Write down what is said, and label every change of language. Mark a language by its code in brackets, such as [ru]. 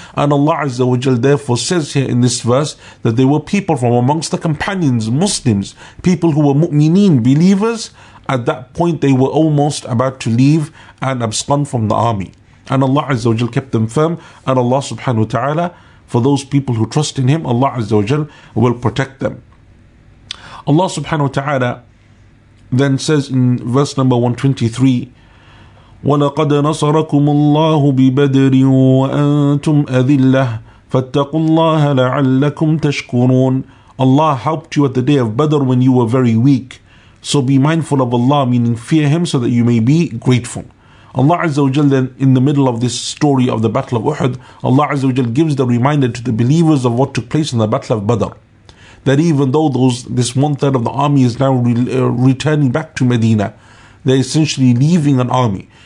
[en] And Allah Azza wa Jal therefore says here in this verse that there were people from amongst the companions, Muslims, people who were mu'mineen, believers. At that point, they were almost about to leave and abscond from the army. And Allah Azza wa Jal kept them firm. And Allah subhanahu wa ta'ala, for those people who trust in Him, Allah Azza wa Jal will protect them. Allah subhanahu wa ta'ala then says in verse number 123, [ar] وَلَقَدْ نَصَرَكُمُ اللَّهُ بِبَدْرٍ وَأَنْتُمْ أَذِلَّهُ فَاتَّقُوا اللَّهَ لَعَلَّكُمْ تَشْكُرُونَ. [en] Allah helped you at the day of Badr when you were very weak. So be mindful of Allah, meaning fear Him, so that you may be grateful. Allah Azza wa Jal then, in the middle of this story of the Battle of Uhud, Allah Azza wa Jal gives the reminder to the believers of what took place in the Battle of Badr. That even though this one third of the army is now returning back to Medina, they're essentially leaving an army.